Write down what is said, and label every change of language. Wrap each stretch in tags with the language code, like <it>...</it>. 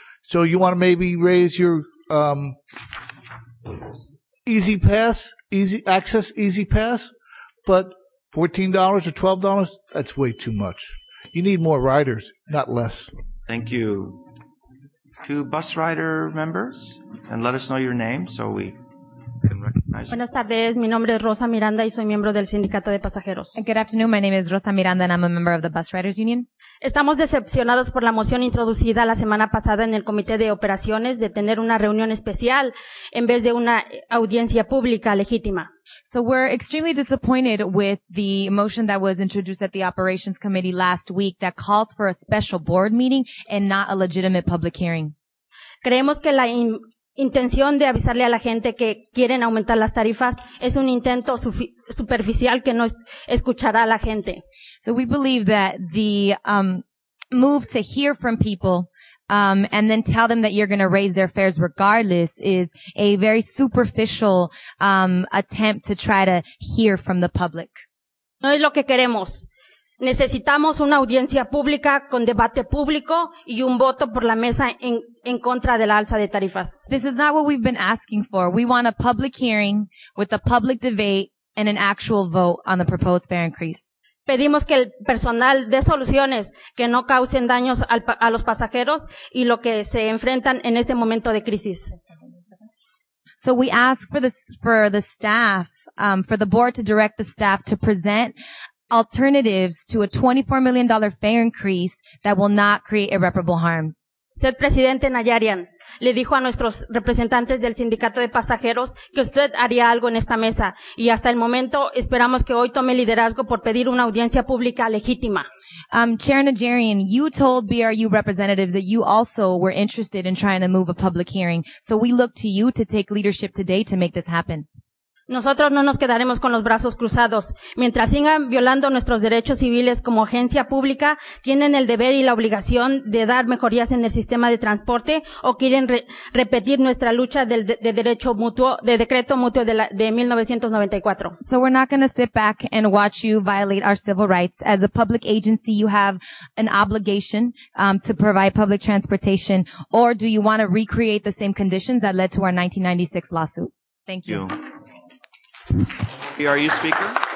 <en>So you want to maybe raise your easy access, but $14 or $12, that's way too much. You need more riders, not less. Thank you. To bus rider members, and let us know your name so we can recognize.</en> <es>Buenas tardes. Mi nombre es Rosa Miranda y soy miembro del sindicato de pasajeros.</es> <en>Good afternoon. My name is Rosa Miranda and I'm a member of the bus riders union.</en> <es>Estamos decepcionados por la moción introducida la semana pasada en el comité de operaciones de tener una reunión especial en vez de una audiencia pública legítima.</es> <en>So we're extremely disappointed with the motion that was introduced at the operations committee last week that calls for a special board meeting and not a legitimate public hearing.</en> <es>Creemos que la intención de avisarle a la gente que quieren aumentar las tarifas es un intento superficial que no escuchará a la gente.</es> <en>So we believe that the move to hear from people and then tell them that you're going to raise their fares regardless is a very superficial attempt to try to hear from the public.</en> <es>No es lo que queremos. Necesitamos una audiencia pública con debate público y un voto por la mesa en contra de la alza de tarifas.</es> <en>This is not what we've been asking for. We want a public hearing with a public debate and an actual vote on the proposed fare increase.</en> <es>Pedimos que el personal dé soluciones que no causen daños a los pasajeros y lo que se enfrentan en este momento de crisis.</es> <en>So we ask for the staff, for the board to direct the staff to present alternatives to a $24 million fare increase that will not create irreparable harm.</en> <es>Señor Presidente Najarian le dijo a nuestros representantes del sindicato de pasajeros que usted haría algo en esta mesa y hasta el momento esperamos que hoy tome liderazgo por pedir una audiencia pública legítima.</es> <en>Chair Najarian, you told BRU representatives that you also were interested in trying to move a public hearing, so we look to you to take leadership today to make this happen.</en> <es>Nosotros no nos quedaremos con los brazos cruzados. Mientras sigan violando nuestros derechos civiles como agencia pública, tienen el deber y la obligación de dar mejorías en el sistema de transporte o quieren repetir nuestra lucha de derecho mutuo, de decreto mutuo de 1994.</es> <en>So we're not going to sit back and watch you violate our civil rights. As a public agency, you have an obligation to provide public transportation, or do you want to recreate the same conditions that led to our 1996 lawsuit? Thank you. BRU speaker.</en>